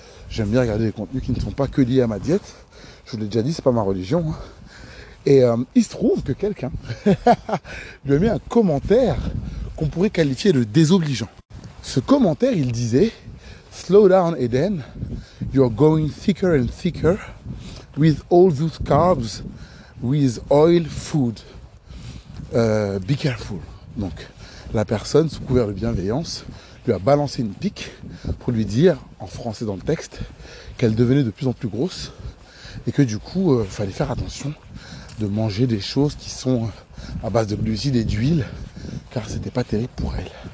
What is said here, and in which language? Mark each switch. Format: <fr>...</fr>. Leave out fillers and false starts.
<fr>J'aime bien regarder des contenus qui ne sont pas que liés à ma diète. Je vous l'ai déjà dit, c'est pas ma religion. Et il se trouve que quelqu'un lui a mis un commentaire qu'on pourrait qualifier de désobligeant. Ce commentaire, il disait «</fr> <en>Slow down, Eden. You're going thicker and thicker with all those carbs, with oil, food. Be careful.</en> <fr>» Donc, la personne, sous couvert de bienveillance, lui a balancé une pique pour lui dire, en français dans le texte, qu'elle devenait de plus en plus grosse et que du coup, fallait faire attention de manger des choses qui sont à base de glucides et d'huile, car c'était pas terrible pour elle.</fr>